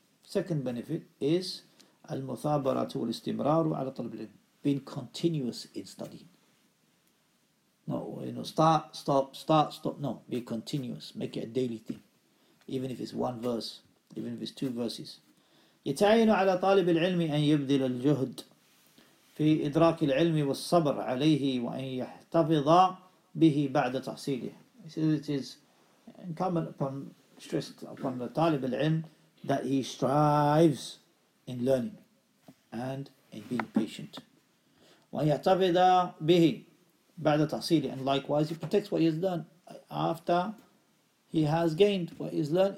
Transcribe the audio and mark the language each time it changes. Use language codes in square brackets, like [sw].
[en] Second benefit is [ar] al-muthabaratu wal-istimraru ala talib al-ilm. [en] Being continuous in studying. Start, stop, start, stop. No, be continuous. Make it a daily thing. Even if it's one verse, even if it's two verses. [ar] يتعين على طالب العلم أن يبذل الجهد في إدراك العلم والصبر عليه وأن يحتفظ به بعد تحصيله. [en] He says it is incumbent upon, stressed upon the talib al-ilm that he strives in learning and in being patient. [ar] وأن يحتفظ به بعد تحصيله. [en] And likewise, he protects what he has done after he has gained what he has learned.